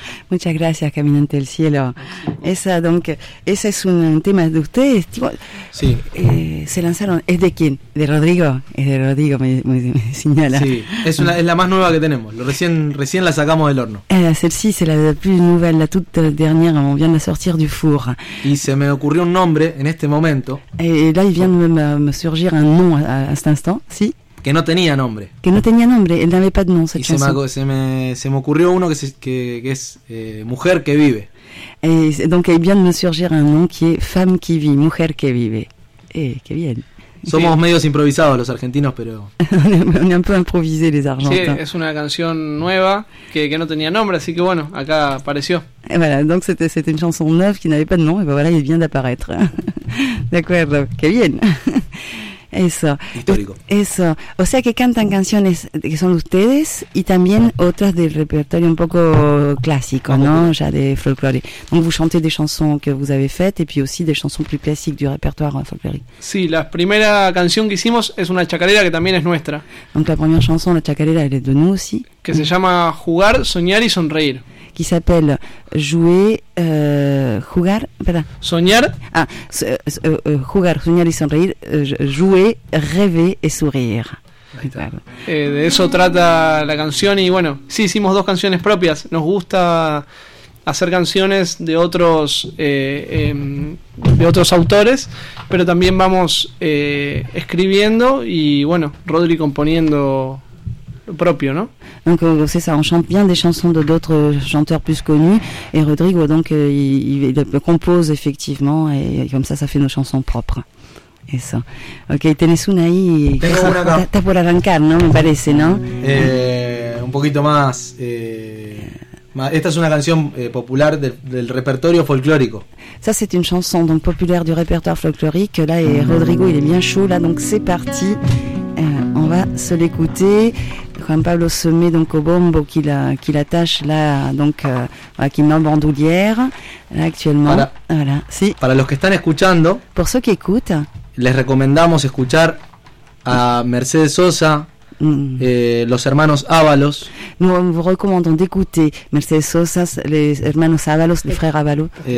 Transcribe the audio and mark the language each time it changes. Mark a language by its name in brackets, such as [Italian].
[Spanish] Muchas gracias, Caminante del Cielo. Esa es un tema de ustedes. Tipo, sí. Se lanzaron. ¿Es de quién? ¿De Rodrigo? Es de Rodrigo, me señala. Sí, es la más nueva que tenemos. Recién la sacamos del horno. [French] Celle-ci, c'est la plus nouvelle, la toute dernière. On vient de la sortir du four. [Spanish] Y se me ocurrió un nombre en este momento. [French] Là, il vient de me surgir un nom à cet instant, [Spanish] sí. Que no tenía nombre. Que no tenía nombre, él no tenía nombre, [French] cette chanson. [Spanish] Y se me ocurrió uno que es Mujer que vive. Entonces, ahí viene de me surgir un nombre que es Femme qui vit, Mujer que vive. ¡Qué bien! Somos sí. Medios improvisados los argentinos, pero... [French] On est un peu improvisés les argentins. [Spanish] Sí, es una canción nueva que no tenía nombre, así que bueno, acá apareció. [French] Et voilà, donc c'était une chanson neuve qui n'avait pas de nom, et ben voilà, il vient d'apparaître. D'accord, [Spanish] qué bien. Eso. Histórico. Eso. O sea que cantan canciones que son ustedes y también otras del repertorio un poco clásico, ¿no? Ya de folclore. [French] Donc vous chantez des chansons que vous avez faites et puis aussi des chansons plus classiques du répertoire folklorique. [Spanish] Sí, la primera canción que hicimos es una chacarera que también es nuestra. [French] Donc la première chanson, la chacarera, elle est de nous aussi. [Spanish] Que se llama Jugar, soñar y sonreír. [French] Qui s'appelle jouer, [Spanish] jugar, perdón. Soñar. Ah, jugar, soñar y sonreír, [French] jouer, rêver y sourire. [Spanish] Claro. De eso trata la canción y bueno, sí hicimos dos canciones propias. Nos gusta hacer canciones de otros autores, pero también vamos escribiendo y bueno, Rodri componiendo. Propio, ¿no? [French] Donc c'est ça, on chante bien des chansons de d'autres chanteurs plus connus et Rodrigo donc il compose effectivement et comme ça ça fait nos chansons propres. Et ça. Ok, [Spanish] tenés una ahí. Está por arrancar, ¿no? Me parece, ¿no? Un poquito más. Esta es una canción popular del repertorio folclórico. [French] Ça c'est une chanson donc populaire du répertoire folklorique. Là et Rodrigo il est bien chaud là donc c'est parti. On va se l'écouter. Juan Pablo se met donc au bombo qu'il attache là, donc qu'il met en bandoulière là, actuellement. Voilà. Sí. [Spanish] Para los que están escuchando, [French] pour ceux qui écoutent, [Spanish] les recomendamos escuchar a Mercedes Sosa, los hermanos Ábalos. [French] Nous vous recommandons d'écouter Mercedes Sosa, les hermanos Ábalos, les frères Ábalos.